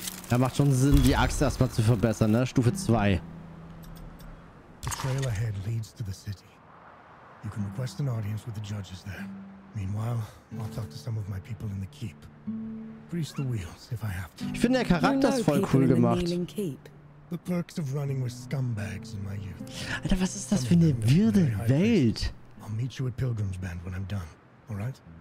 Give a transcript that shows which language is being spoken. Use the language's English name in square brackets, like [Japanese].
[German] Ja, macht schon Sinn, die Axt erstmal zu verbessern, ne? Stufe 2. [English] The trail ahead leads to the city. You can request an audience with the judges there. Meanwhile, I'll talk to some of my people in the keep. Grease the wheels, if I have to. [German] Ich finde, der Charakter ist voll cool gemacht. [English] The perks of running with scumbags in my youth. [German] Alter, was ist das für eine wirde Welt? [English] I'll meet you at Pilgrim's Bend when I'm done, alright?